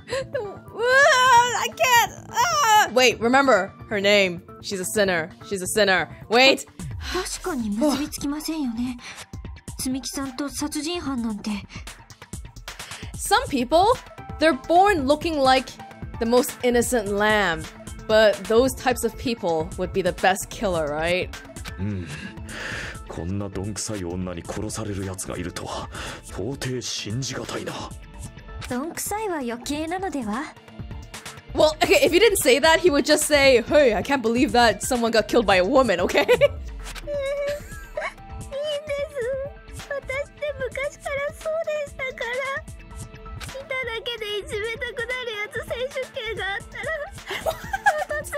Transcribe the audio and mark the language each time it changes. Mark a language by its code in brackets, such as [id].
[ja] でも。 [en] I can't. Wait, remember her name. She's a sinner. Wait. [ja] 確かに結びつきませんよね。積木さんと殺人犯なんて。 [en] Some people, they're born looking like the most innocent lamb. But those types of people would be the best killer, right? [ja] こんなどんくさい女に殺されるやつがいるとは到底信じがたいな。どんくさいは余計なのでは？ [en] Well, okay, if you didn't say that, he would just say, Hey, I can't believe that someone got killed by a woman, okay? [ja] いいんです。私って昔からそうでしたから。見ただけでいじめたくなるやつ選手権があったら。